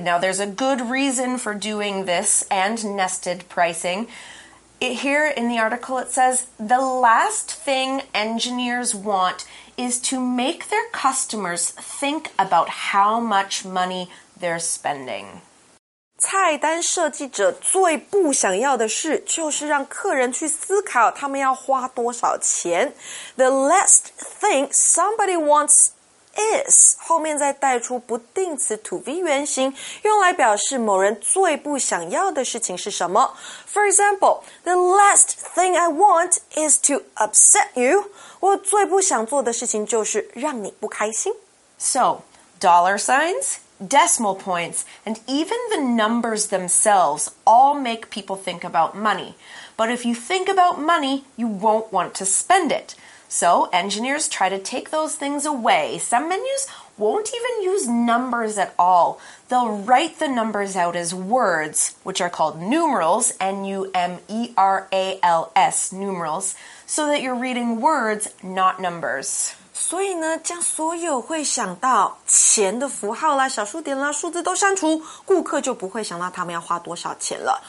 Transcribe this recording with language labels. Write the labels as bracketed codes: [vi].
[en] Now there's a good reason for doing this and nested pricing. Here in the article it says the last thing engineers want is to make their customers think about how much money they're spending. [zh] 菜单设计者最不想要的事就是让客人去思考他们要花多少钱。 [en] The last thing somebody wants is, [zh] 后面再带出不定词 to V 原形用来表示某人最不想要的事情是什么。 [en] For example, the last thing I want is to upset you. [zh] 我最不想做的事情就是让你不开心。 [en] So, dollar signs? Decimal points, and even the numbers themselves all make people think about money. But if you think about money, you won't want to spend it. So engineers try to take those things away. Some menus won't even use numbers at all. They'll write the numbers out as words, which are called numerals, N-U-M-E-R-A-L-S, numerals, so that you're reading words, not numbers. [zh] 所以呢，将所有会想到钱的符号啦、小数点啦、数字都删除，顾客就不会想到他们要花多少钱了。